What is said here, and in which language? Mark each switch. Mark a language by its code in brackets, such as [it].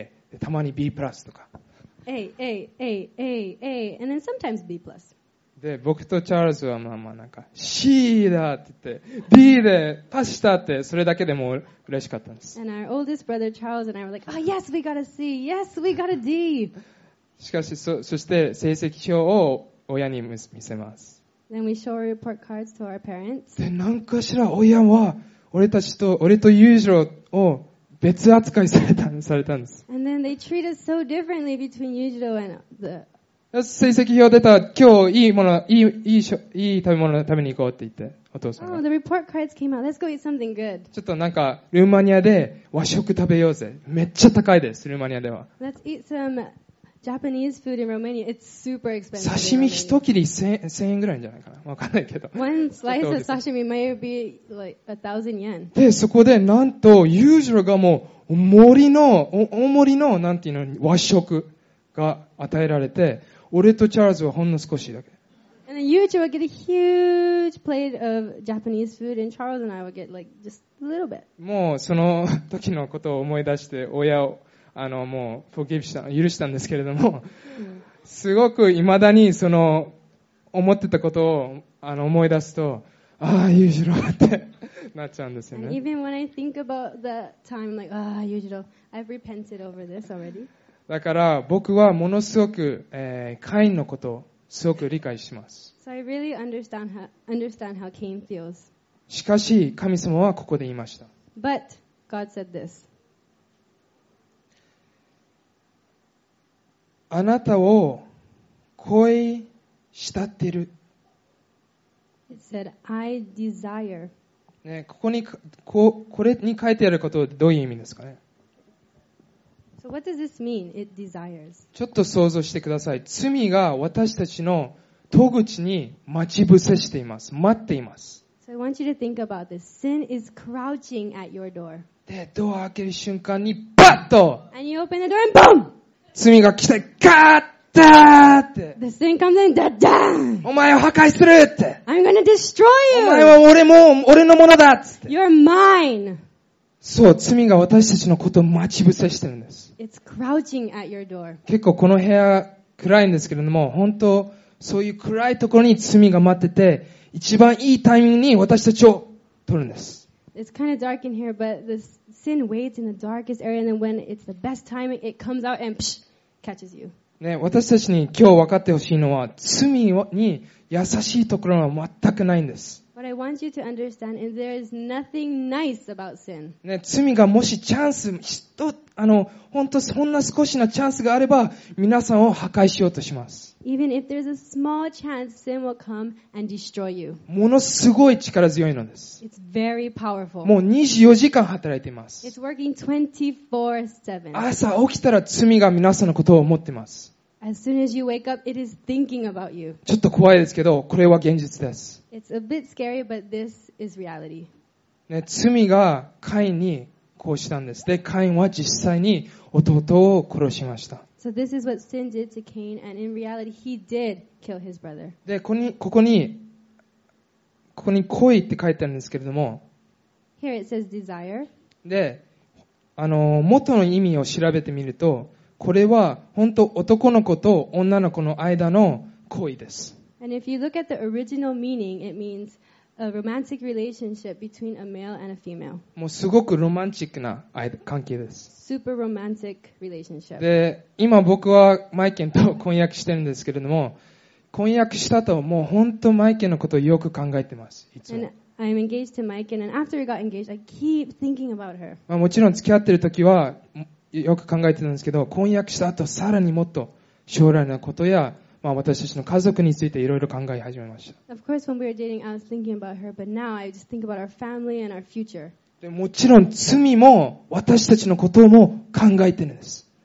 [ja] でたまに B プラスとか。 [en] A. And then sometimes B plus. [ja] で僕とチャールズはまあまあなんか C だって言って D でパスしたってそれだけでも嬉しかったんです。 [en] And our oldest brother Charles and I were like, oh yes, we got a C. Yes, we got a D. [ja] しかし そして成績表を親に見せます。 [en] Then we show our report cards to our parents. [ja] でなんかしら親は俺とユージローを別扱いされたんです。 [en] And then they treat us so differently between Yujiro and the... [ja] 成績表出た、今日いい食べ物のために行こうって言って、お父さんが。 [en] Oh, the report cards came out. Let's go eat something good. [ja] ちょっとなんか、ルーマニアで和食食べようぜ。めっちゃ高いです、ルーマニアでは。 [en] Let's eat some Japanese food in Romania. It's super expensive. [ja] 刺身一切り1000円ぐらいじゃないかな。わかんないけど。 [en] One slice of sashimi may be like 1,000 yen. [ja] で、そこでなんと、ユージローがもう、大盛りの、なんていうの、和食が与えられて、俺とチャールズはほんの少しだけ。 [en] And then Yujiro would get a huge plate of Japanese food and Charles and I would get like just a little bit. [ja] もう、その時のことを思い出して、親を、もう、許したんですけれども、すごく未だに、思ってたことを、思い出すと、ああ、ユージローって、なっちゃうんですよね。 [en] And even when I think about that time, I'm like, ah, ユージロー、I've repented over this already. [ja] だから、僕はものすごく、カインのことを、すごく理解します。 [en] So I really understand how Cain feels. [ja] しかし、神様はここで言いました。 [en] But, God said this. [ja] あなたを恋慕ってる。 [en] It said, I desire. [ja] ね、ここに、これに書いてあることはどういう意味ですかね。 [en] So what does this mean? It desires. [ja] ちょっと想像してください。罪が私たちの戸口に待ち伏せしています。待っています。 [en] So I want you to think about this. Sin is crouching at your door. [ja] で、ドアを開ける瞬間に、パッと [en] And you open the door and boom! [ja] 罪が来て、ガッダーって。 [en] The sin comes in, ダッダーン。 [ja] お前を破壊するって。 [en] I'm gonna destroy you. [ja] お前は俺のものだっつって。 [en] You're mine. [ja] そう、罪が私たちのことを待ち伏せしてるんです。 [en] It's crouching at your door. [ja] 結構この部屋暗いんですけれども、本当そういう暗いところに罪が待ってて、一番いいタイミングに私たちを取るんです。 [en] It's kind of dark in here, but the sin waits in the darkest area, and then when it's the best timing, it comes out and psh, catches you. [ja] ね、私たちに今日分かってほしいのは、罪に優しいところは全くないんです。 [en] What I want you to understand is there is nothing nice about sin. [ja] ね、罪がもしチャンス、本当そんな少しのチャンスがあれば、皆さんを破壊しようとします。 [en] Even if there's a small chance, sin will come and destroy you. [ja] ものすごい力強いのです。 [en] It's very powerful. [ja] もう24時間働いています。 [en] It's working 24/7. [ja] 朝起きたら罪が皆さんのことを思っています。 [en] As soon as you wake up, it is thinking about you. [ja] ちょっと怖いですけど、これは現実です。 [en] It's a bit scary, but this is reality. [ja] ね、罪がカインにこうしたんです。で、カインは実際に弟を殺しました。 [en] So this is what sin did to Cain, and in reality, he did kill his brother. [ja] で、ここに恋って書いてあるんですけれども。 [en] Here it says desire. [ja] で、元の意味を調べてみると、これは本当男の子と女の子の間の恋です。 [en] And if you look at the original meaning, it means a romantic relationship between a male and a female. [ja] もうすごくロマンチックな関係です。 [en] Super romantic relationship. [ja] で、今僕はマイケンと婚約してるんですけれども、婚約したともう本当マイケンのことをよく考えてます。いつも。 [en] I'm engaged to Mike, and after we got engaged, I keep thinking about her. [ja] まあもちろん付き合ってる時はよく考えてたんですけど、婚約した後さらにもっと将来のことや、まあ私たちの家族についていろいろ考え始めました。 [en] Of course, when we were dating, I was thinking about her, but now I just think about our family and our future. [ja] でもちろん罪も私たちのことも考えてるんです。